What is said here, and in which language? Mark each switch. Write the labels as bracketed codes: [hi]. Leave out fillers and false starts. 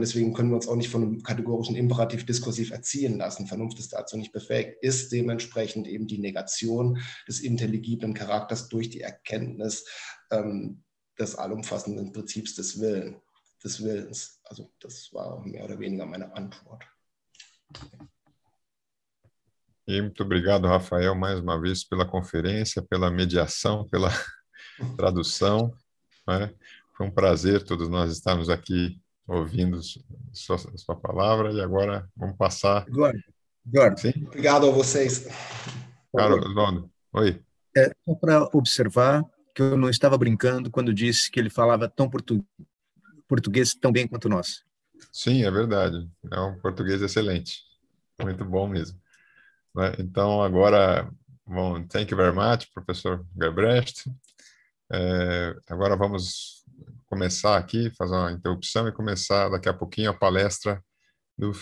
[de] Deswegen können wir uns auch nicht von einem kategorischen Imperativ diskursiv erziehen lassen. Vernunft ist dazu nicht befähigt, ist dementsprechend eben die Negation des intelligiblen Charakters durch die Erkenntnis des allumfassenden Prinzips des Willens. Also das war mehr oder weniger meine Antwort. [pt] Muito obrigado, Rafael, mais uma vez pela conferência, pela mediação, pela tradução. Né? Foi um prazer todos nós estarmos aqui ouvindo sua palavra e agora vamos passar... Eduardo. Sim? Obrigado a vocês. Claro, Eduardo. Oi. É, só para observar que eu não estava brincando quando disse que ele falava tão português tão bem quanto nós. Sim, é verdade. É um português excelente. Muito bom mesmo. Então, agora, bom, [en] thank you very much, professor Gebrecht. [pt] Agora vamos começar aqui, fazer uma interrupção e começar daqui a pouquinho a palestra do